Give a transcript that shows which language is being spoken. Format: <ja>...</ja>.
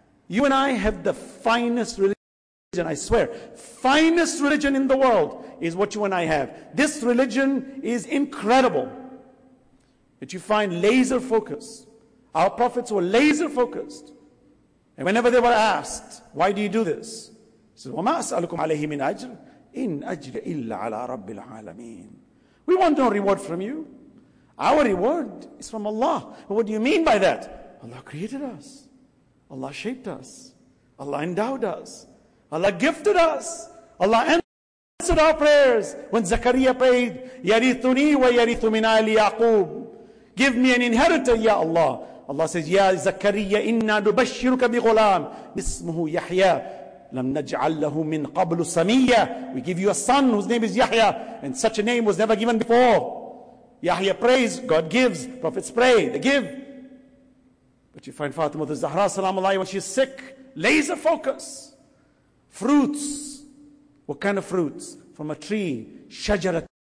<en>You and I have the finest religion, I swear. Finest religion in the world is what you and I have. This religion is incredible. That you find laser focus. Our prophets were laser focused. And whenever they were asked, why do you do this?</en> <ar>He said, وَمَا أَسْأَلُكُمْ عَلَيْهِ مِنْ أَجْرٍ إِنْ أَجْرِ إِلَّا عَلَىٰ رَبِّ الْعَالَمِينَ</ar> <en>We want no reward from you. Our reward is from Allah. But what do you mean by that? Allah created us. Allah shaped us. Allah endowed us. Allah gifted us. Allah answered our prayers. When Zakariya prayed,</en> <ar>يَرِثُنِي وَيَرِثُ مِنْ آلِ يَعْقُوبُ</ar> <en>Give me an inheritor, Ya Allah.</en> <ar>Allah says, يَا زَكَرِيَّ إِنَّا نُبَشِّرُكَ بِغُلَامٍ اسْمُهُ يَحْيَى لَمْ نَجْعَلْ لَهُ مِنْ قَبْلُ سَمِيَّ</ar> <en>We give you a son whose name is Yahya. And such a name was never given before. Yahya prays, God gives. Prophets pray, they give. But you find Fatima the Zahra, salam alayhi, when she's sick, laser focus. Fruits. What kind of fruits? From a tree. Shajarat.</en>